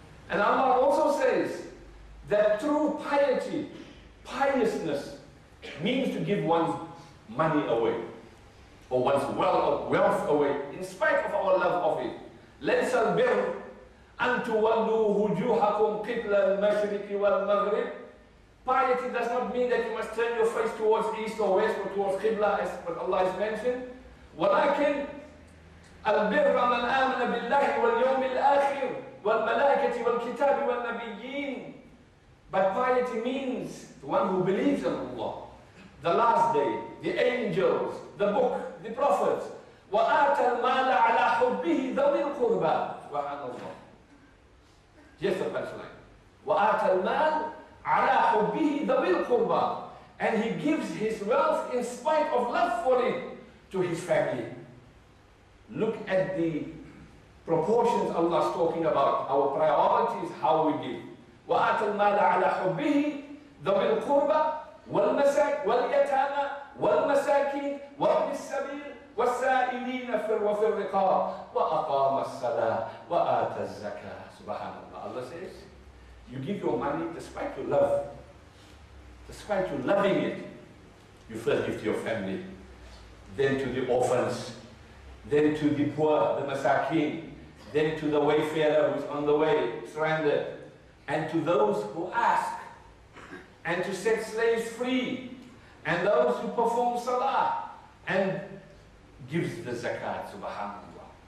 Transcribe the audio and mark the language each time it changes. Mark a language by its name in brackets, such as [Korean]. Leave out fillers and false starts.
[English] And Allah also says that true piety, piousness, means to give one's money away, or one's wealth away, in spite of our love of it. [Arabic] لَيْسَ الْبِرْ أَن تُوَلُّوا هُجُوهَكُمْ قِبْلَ الْمَشْرِقِ وَالْمَغْرِبِ [English] Piety does not mean that you must turn your face towards east or west or towards Qibla, as what Allah has mentioned. [Arabic] ولكن البر من آمن بالله واليوم الآخر والملائكة والكتاب والنبيين. [English] But piety means the one who believes in Allah, the last day, the angels, the book, the prophets. [Arabic] وآتى المال على حبه ذوي القربى. سبحان الله. [English] Here's the punchline. [Arabic] وآتى المال على حبه ذوي القربى. [English] And he gives his wealth in spite of love for it to his family. Look at the proportions Allah's talking about, our priorities, how we give. [Arabic] وآتى المال على حبه ذوي القربى واليتامى والمساكين وابن السبيل والسائلين وفي الرقاب وأقام الصلاة وآتى الزكاة. سبحان الله. [English] Allah says, you give your money despite your love, despite you loving it, you first give to your family, then to the orphans, then to the poor, the masakin, then to the wayfarer who's on the way, stranded, and to those who ask, and to set slaves free, and those who perform salah, and gives the zakat, subhanAllah.